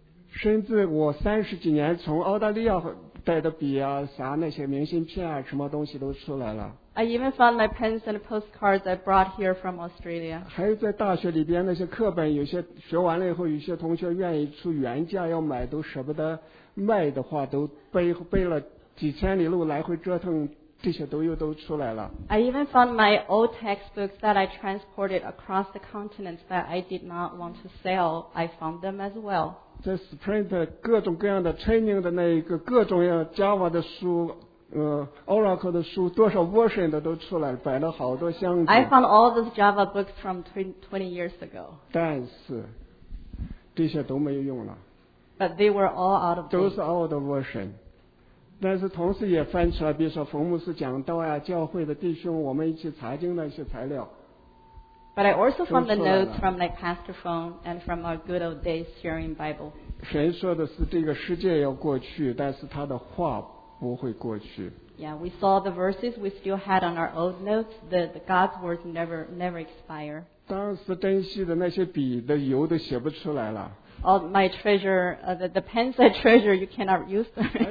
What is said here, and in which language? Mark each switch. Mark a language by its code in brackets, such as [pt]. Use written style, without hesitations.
[zh] 甚至我三十几年从澳大利亚带的笔啊，啥那些明信片啊，什么东西都出来了。 [en] I even found my pens and postcards I brought here from Australia. [zh] 还有在大学里边那些课本，有些学完了以后，有些同学愿意出原价要买，都舍不得卖的话，都背了几千里路来回折腾。这些都出来了。 [en] I even found my old textbooks that I transported across the continents that I did not want to sell. I found them as well. [zh] 在 Sprint 各种各样的 training 的那一个各种样 Java 的书，Oracle 的书，多少 version 的都出来了，摆了好多箱子。 [en] I found all those Java books from 20 years ago. [zh] 但是这些都没有用了。 [en] But they were all out of date. [zh] 都是 [en] old version。 [zh] 但是同时也翻出来，比如说冯牧师讲道呀，教会的弟兄，我们一起查经的一些材料。 [en] But I also found the notes from my pastor phone and from our good old days sharing Bible. [zh] 神说的是这个世界要过去，但是他的话不会过去。 [en] Yeah, we saw the verses we still had on our old notes. The God's words never expire. [zh] 当时珍惜的那些笔的油都写不出来了。 [en] All my treasure, the pens I treasure, you cannot use them.